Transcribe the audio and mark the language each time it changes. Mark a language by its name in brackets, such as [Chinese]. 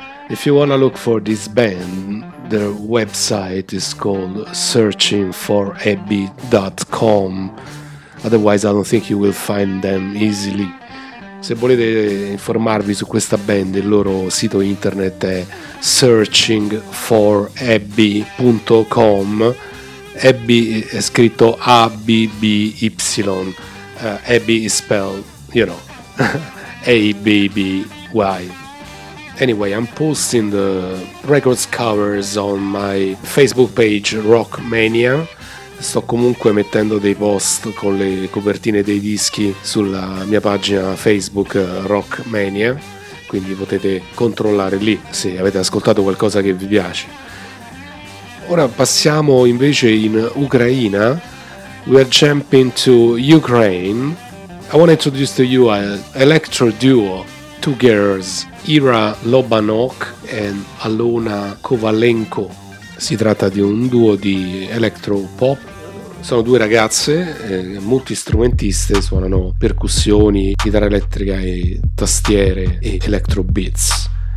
[English] If you wanna look for this band, their website is called searchingforabby.com. Otherwise I don't think you will find them easily. [Italian] Se volete informarvi su questa band, il loro sito internet è searchingforabby.com. Abby è scritto A-B-B-Y. [English] Abby is spelled, you know, Hey Baby, Why? Anyway, I'm posting the records covers on my Facebook page Rockmania. [Italian] Sto comunque mettendo dei post con le copertine dei dischi sulla mia pagina Facebook Rockmania, quindi potete controllare lì se avete ascoltato qualcosa che vi piace. Ora passiamo invece in Ucraina. [English] We are jumping to Ukraine. I want to introduce to you an electro duo, two girls, Ira Lobanok and Alona Kovalenko. [Italian] Si tratta di un duo di electropop. Sono due ragazze multistrumentiste, suonano percussioni, chitarra elettrica e tastiere e electro beats.